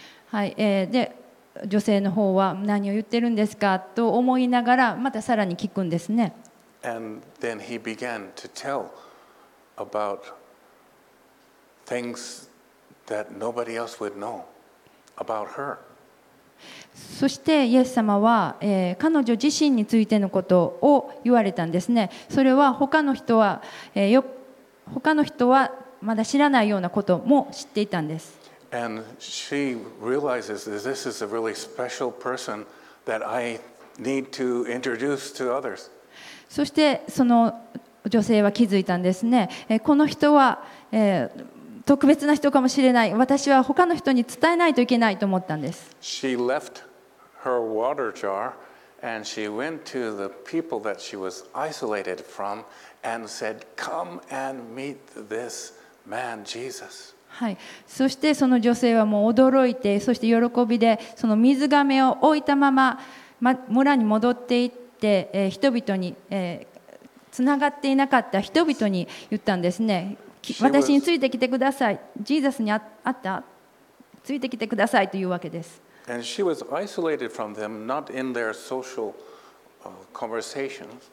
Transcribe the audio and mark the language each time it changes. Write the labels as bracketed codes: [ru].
[ja] はい、で女性の方は何を言ってるんですかと思いながらまたさらに聞くんですね。 [en] And then he began to tell about things that nobody else would know about her. [ja] そしてイエス様は、彼女自身についてのことを言われたんですね。それは他の人は、他の人はまだ知らないようなことも知っていたんです。 [en] And she realizes that this is a really special person that I need to introduce to others. [ja] そしてその女性は気づいたんですね。この人は、特別な人かもしれない。私は他の人に伝えないといけないと思ったんです。 [en] She left her water jar and she went to the people that she was isolated from and said, "Come and meet this man, Jesus." [ja] はい、そしてその女性はもう驚いて、そして喜びでその水瓶を置いたまま村に戻っていって、人々に、つながっていなかった人々に言ったんですね。私についてきてください、ジーザスに会った、ついてきてくださいというわけです。 [en] And she was isolated from them, not in their social conversation.